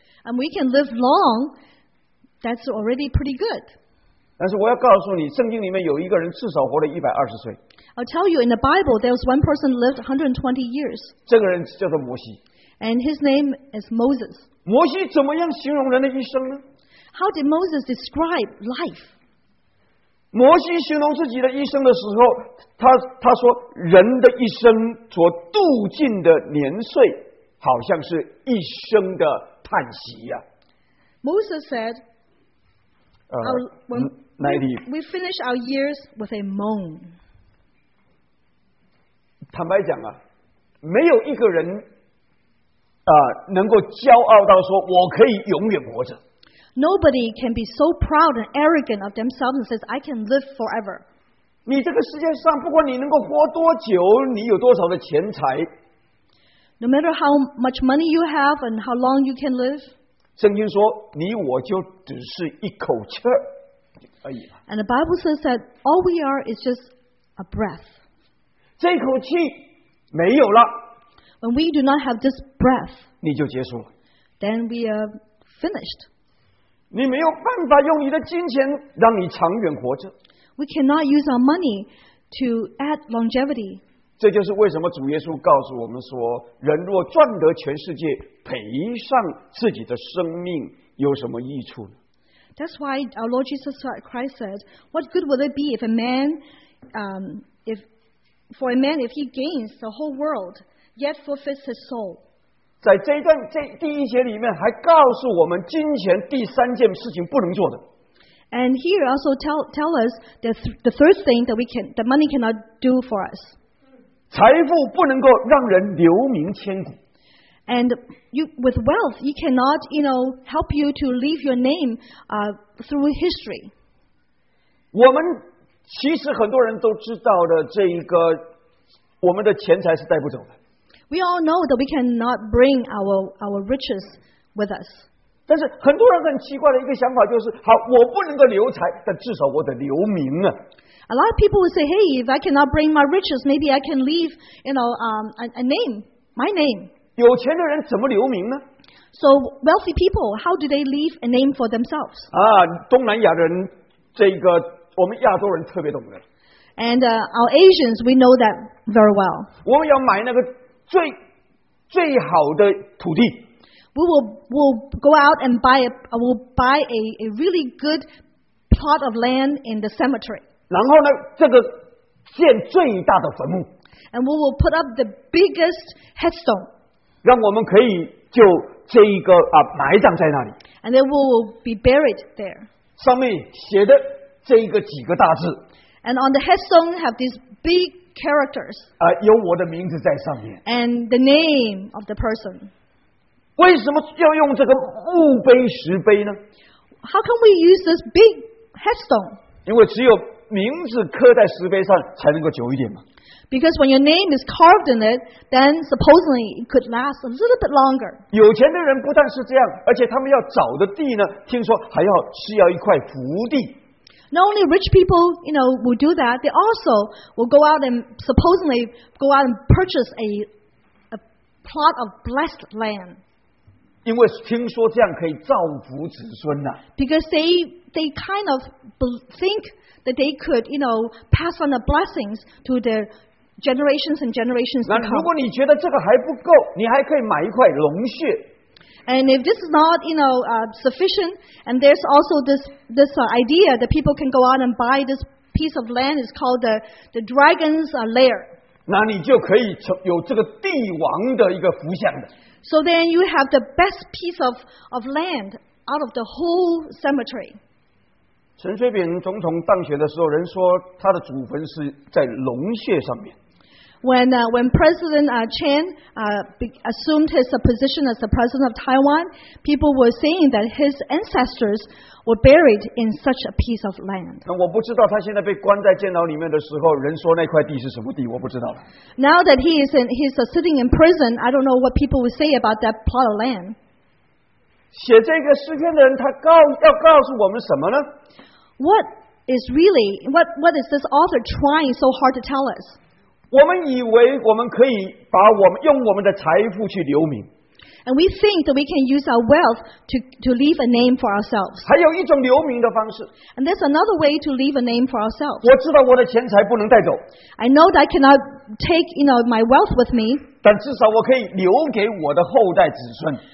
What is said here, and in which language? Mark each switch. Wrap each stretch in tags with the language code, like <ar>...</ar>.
<en>And we can live long, that's already pretty good.</en> <zh>但是我要告诉你，圣经里面有一个人至少活了120岁。</zh> <en>I'll tell you, in the Bible, there was one person who lived 120 years.</en> <zh>这个人叫做摩西。</zh> <en>And his name is Moses.</en> <zh>摩西怎么样形容人的一生呢？</zh> <en>How did Moses describe life?</en> <zh>摩西形容自己的一生的时候，他说人的一生所度尽的年岁好像是一生的叹息啊。</zh> <en>Moses said, we finish our years with a moan.</en> <zh>坦白讲啊，没有一个人能够骄傲到说我可以永远活着。</zh> <en>Nobody can be so proud and arrogant of themselves and says, I can live forever.</en> <zh>你这个世界上不管你能够活多久，你有多少的钱财。</zh> <en>No matter how much money you have and how long you can live.</en> <zh>圣经说你我就只是一口气而已。</zh> <en>And the Bible says that all we are is just a breath.</en> <zh>这口气没有了。</zh> <en>When we do not have this breath.</en> <zh>你就结束了。</zh> <en>Then we are finished.</en> <zh>你没有办法用你的金钱让你长远活着。</zh> <en>We cannot use our money to add longevity.</en> <zh>这就是为什么主耶稣告诉我们说，人若赚得全世界，赔上自己的生命，有什么益处呢？</zh> <en>That's why our Lord Jesus Christ said, "What good will it be if a man, if he gains the whole world, yet forfeits his soul?"</en> <zh>在这一段这第一节里面还告诉我们金钱第三件事情不能做的。</zh> <en>And here also tell us the third thing that money cannot do for us.</en> <zh>财富不能够让人留名千古。</zh> <en>And with wealth, you cannot, you know, help you to leave your name, through history.</en> <zh>我们其实很多人都知道的这一个我们的钱财是带不走的。</zh> <en>We all know that we cannot bring our riches with us.</en> <zh>但是很多人很奇怪的一个想法就是，好，我不能够留财，但至少我得留名啊。</zh> <en>A lot of people will say, "Hey, if I cannot bring my riches, maybe I can leave, you know, a name, my name."</en> <zh>有钱的人怎么留名呢？</zh> <en>So wealthy people, how do they leave a name for themselves?</en> <zh>啊，东南亚人，这个我们亚洲人特别懂的。</zh> <en>And our Asians, we know that very well.</en> <zh>我们要买那个。最好的土地。</zh> <en>We'll go out and buy a really good plot of land in the cemetery.</en> <zh>然后呢，这个建最大的坟墓。</zh> <en>And we will put up the biggest headstone.</en> <zh>让我们可以就这一个啊埋葬在那里。</zh> <en>And then we will be buried there.</en> <zh>上面写的这一个几个大字。</zh> <en>And on the headstone have these big. Characters.</en> <zh>有我的名字在上面。</zh> <en>And the name of the person.</en> <zh>为什么要用这个墓碑石碑呢？</zh> <en>How can we use this big headstone?</en> <zh>因为只有名字刻在石碑上才能够久一点嘛。</zh> <en>Because when your name is carved in it, then supposedly it could last a little bit longer.</en> <zh>有钱的人不但是这样，而且他们要找的地呢，听说还要是要一块福地。</zh> <en>Not only rich people, you know, will do that. They also will go out and supposedly go out and purchase a plot of blessed land.</en> <zh>因为听说这样可以造福子孙呐。</zh> <en>Because they kind of think that they could, you know, pass on the blessings to their generations and generations to come.</en> <zh>那如果你觉得这个还不够，你还可以买一块龙穴。</zh> <en>And if this is not, you know, sufficient, and there's also this idea that people can go out and buy this piece of land, it's called the dragon's lair.</en> <zh>那你就可以有这个帝王的一个福相的。</zh> <en>So then you have the best piece of land out of the whole cemetery.</en> <zh>陈水扁总统当选的时候，人说他的祖坟是在龙穴上面。</zh> <en>When President Chen assumed his position as the president of Taiwan, people were saying that his ancestors were buried in such a piece of land.</en> <zh>我不知道他现在被关在监牢里面的时候，人说那块地是什么地，我不知道。</zh> <en>Now that he's sitting in prison, I don't know what people would say about that plot of land.</en> <zh>写这个诗篇的人，他要告诉我们什么呢？</zh> <en>What is this author trying so hard to tell us?</en> <zh>我们以为我们可以把我们用我们的财富去留名。</zh> <en>And we think that we can use our wealth to leave a name for ourselves.</en> <zh>还有一种留名的方式。</zh> <en>And there's another way to leave a name for ourselves.</en> <zh>我知道我的钱财不能带走。</zh> <en>I know that I cannot take, you know, my wealth with me.</en> <zh>但至少我可以留给我的后代子孙。</zh>